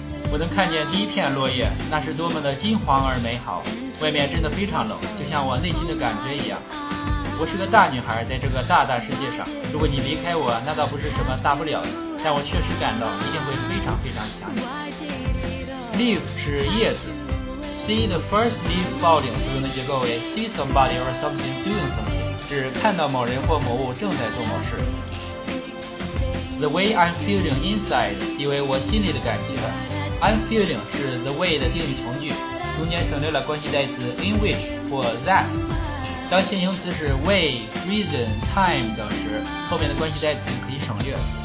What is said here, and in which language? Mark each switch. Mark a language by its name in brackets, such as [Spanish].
[Chinese] 我能看见第一片落叶，那是多么的金黄而美好。外面真的非常冷，就像我内心的感觉一样。我是个大女孩，在这个大大世界上，如果你离开我，那倒不是什么大不了的，但我确实感到一定会非常非常想你。 Leaf 是叶子， [English] See the first leaf falling [Chinese] 所用的结构为 [English] See somebody or something doing something， [Chinese] 指看到某人或某物正在做某事。 [English] The way I'm feeling inside， [Chinese] 意为我心里的感觉。 I'm feeling 是 the way 的定语从句，中间省略了关系代词 in which 或 that。当现形词是 way、reason、time 等时，后面的关系代词可以省略。